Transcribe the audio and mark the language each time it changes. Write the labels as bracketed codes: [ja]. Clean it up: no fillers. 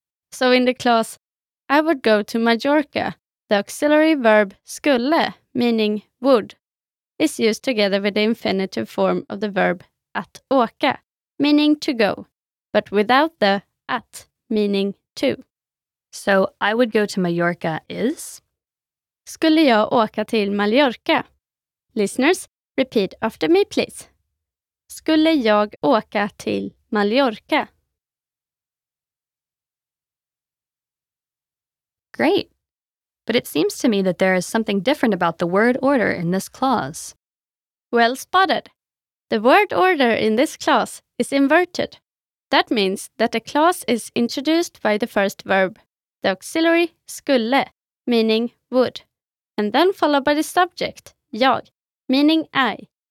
[en] So in the clause, I would go to Mallorca, the auxiliary verb skulle, meaning would, is used together with the infinitive form of the verb att åka, meaning to go, but without the att, meaning to. So, I would go to Mallorca is? [sv] Skulle jag åka till Mallorca? [en] Listeners, repeat after me, please. [sv] Skulle jag åka till Mallorca? [en] Great. But it seems to me that there is something different about the word order in this clause. Well spotted. The word order in this clause is inverted. That means that the clause is introduced by the first verb, the auxiliary skulle, meaning would, and then followed by the subject, jag, meaning I.